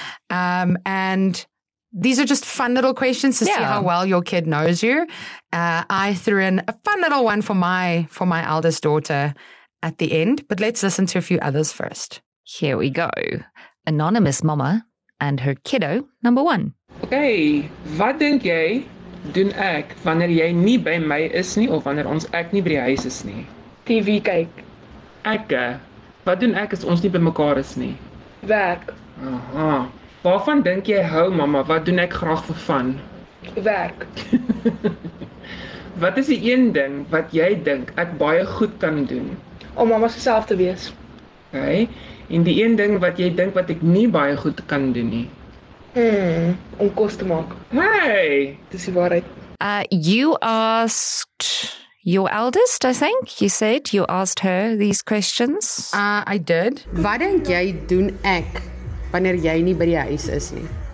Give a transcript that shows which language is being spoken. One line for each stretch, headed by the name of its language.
English: And these are just fun little questions to yeah. see how well your kid knows you. I threw in a fun little one for my eldest daughter at the end. But let's listen to a few others first. Here we go. Anonymous mama and her kiddo number one.
Afrikaans: Okay, wat dink jy doen ek wanneer jy nie by my is nie of wanneer ons ek nie by die huis is nie? TV kyk. Ek, wat doen ek as ons nie by mekaar is nie? Werk. Aha. Waarvan dink jy hou mama? Wat doen ek graag vir fun? Werk. Wat is die een ding wat jy dink ek baie goed kan doen? Om mama se self te wees. Okay. En die een ding wat jy dink wat ek nie baie goed kan doen nie. Om kos te maak. Hey, dis die waarheid.
English: You asked your eldest, I think. You said you asked her these questions. I did.
Afrikaans: Wat dink jy doen ek wanneer jy nie by die huis is nie?